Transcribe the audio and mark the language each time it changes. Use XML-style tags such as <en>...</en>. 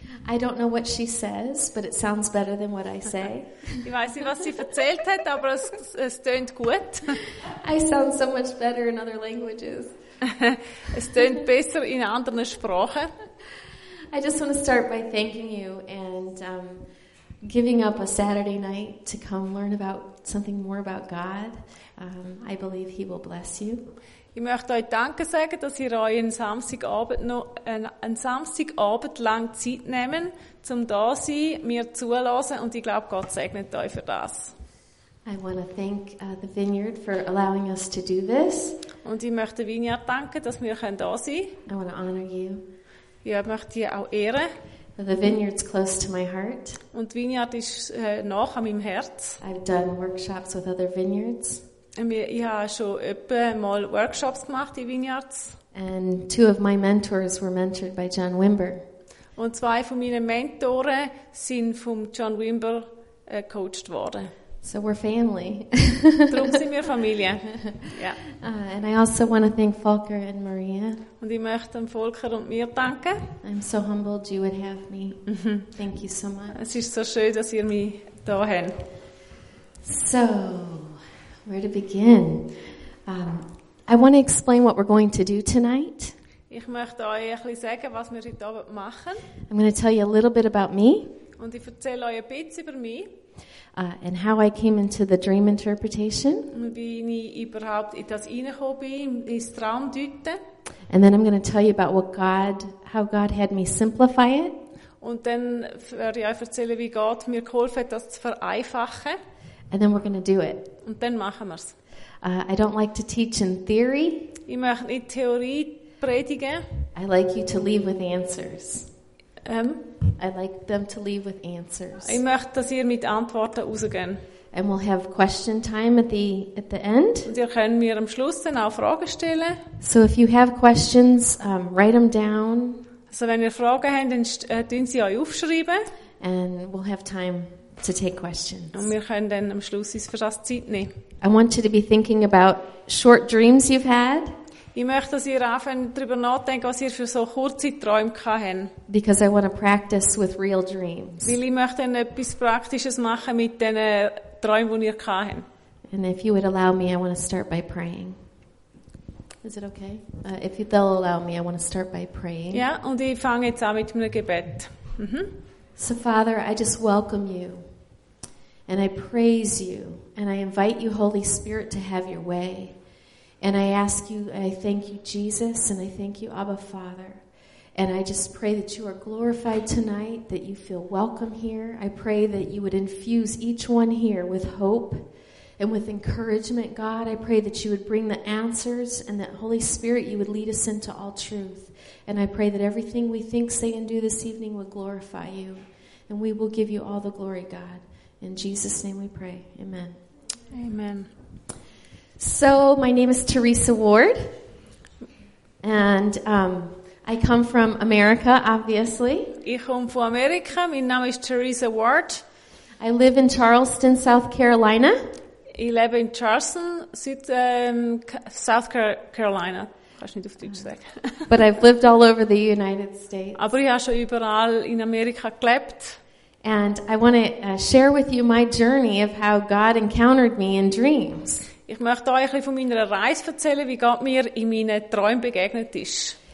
<en>I don't know what she says, but it sounds better than what I say.</en> <de>Ich weiß nicht, was sie erzählt hat, aber es tönt gut.</de> <en>I sound so much better in other languages.</en> <de>Es tönt besser in anderen Sprachen.</de> <en>I just want to start by thanking you and giving up a Saturday night to come learn about something more about God. I believe He will bless you.</en> <de>Ich möchte euch danken sagen, dass ihr euch einen Samstagabend lang Zeit nehmen, um da zu sein, mir zuzuhören, und ich glaube, Gott segnet euch für das.</de> <en>I want to thank the Vineyard for allowing us to do this.</en> <de>Und ich möchte Vineyard danken, dass wir hier da sein können.</de> <en>I want to honor you.</en> <de>Ja, ich möchte dich auch ehren.</de> <en>The Vineyard's close to my heart.</en> <de>Und Vineyard ist nah an meinem Herz.</de> <en>I've done workshops with other Vineyards.</en> <de>Ich habe schon öppe mal Workshops gemacht in Vineyards.</de> <en>And two of my mentors were mentored by John Wimber.</en> <de>Und zwei von meinen Mentoren sind vom John Wimber gecoacht worden.</de> <en>So we're family.</en> <de>Darum sind wir Familie. Yeah.</de> <en>And I also want to thank Volker and Maria.</en> <de>Und ich möchte Volker und mir danken.</de> <en>I'm so humbled you would have me. Thank you so much.</en> <de>Es ist so schön, dass ihr mich da habt.</de> <en>So. Where to begin? I want to explain what we're going to do tonight.</en> <de>Ich möchte euch ein bisschen sagen, was wir heute Abend machen.</de> <en>I'm going to tell you a little bit about me.</en> <de>Und ich erzähle euch ein bisschen über mich.</de> <en>And how I came into the dream interpretation.</en> <de>Und wie ich überhaupt in das reingekommen bin, ins Traumdeuten.</de> <en>And then I'm going to tell you about how God had me simplify it.</en> <de>Und dann werde ich euch erzählen, wie Gott mir geholfen hat, das zu vereinfachen.</de> <en>And then we're going to do it.</en> <de>Und dann machen wir's.</de> <en>I don't like to teach in theory.</en> <de>Ich möchte nicht Theorie predigen.</de> <en>I like you to leave with answers. I like them to leave with answers.</en> <de>Ich möchte, dass ihr mit Antworten rausgehen.</de> <en>And we'll have question time at the end.</en> <de>Und ihr könnt mir am Schluss dann auch Fragen stellen.</de> <en>So if you have questions, write them down.</en> <de>Also wenn ihr Fragen habt, dann tun sie euch aufschreiben.</de> <en>And we'll have time to take questions.</en> <de>Und wir können dann am Schluss uns für das Zeit nehmen.</de> <en>I want you to be thinking about short dreams you've had.</en> <de>Ich möchte, dass ihr anfangen, darüber nachdenken, was ihr für so kurze Träume gehabt habt.</de> <en>Because I want to practice with real dreams.</en> <de>Weil ich möchte dann etwas Praktisches machen mit den Träumen, die ihr gehabt habt.</de> <en>And if you would allow me, I want to start by praying. Is it okay? If they'll allow me, I want to start by praying.</en> <de>Ja, und ich fange jetzt an mit einem Gebet.</de> <en>So Father, I just welcome you and I praise you and I invite you, Holy Spirit, to have your way. And I ask you, I thank you, Jesus, and I thank you, Abba Father. And I just pray that you are glorified tonight, that you feel welcome here. I pray that you would infuse each one here with hope and with encouragement, God. I pray that you would bring the answers and that, Holy Spirit, you would lead us into all truth. And I pray that everything we think, say, and do this evening would glorify you. And we will give you all the glory, God. In Jesus' name we pray. Amen. Amen. So, my name is Teresa Ward. And I come from America, obviously.</en> <de>Ich komme von Amerika. Mein Name ist Teresa Ward.</de> <en>I live in Charleston, South Carolina.</en> <de>Ich lebe in Charleston, South Carolina. Kannst nicht auf Deutsch sagen.</de> <en>But I've lived all over the United States.</en> <de>Aber ich habe schon überall in Amerika gelebt.</de> <en>And I want to share with you my journey of how God encountered me in dreams.</en> <de>Ich möchte euch ein bisschen von meiner Reise erzählen, wie Gott mir in meinen Träumen begegnet ist.</de>